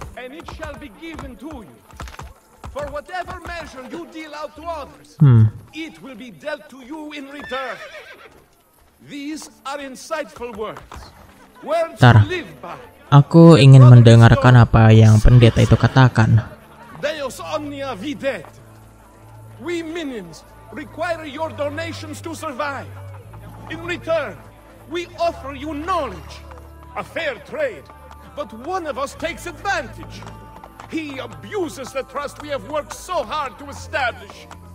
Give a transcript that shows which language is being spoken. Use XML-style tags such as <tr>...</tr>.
<en>And it shall be given to you. For whatever measure you deal out to others, it will be dealt to you in return. These are insightful words. Words to live by.</en> <id>Aku ingin mendengarkan apa yang pendeta itu katakan.</id> <la>Deus omnia videt.</la> <en>We minions require your donations to survive. In return, we offer you knowledge, a fair trade. But one of us takes advantage. He abuses the trust we have worked so hard to establish.</en>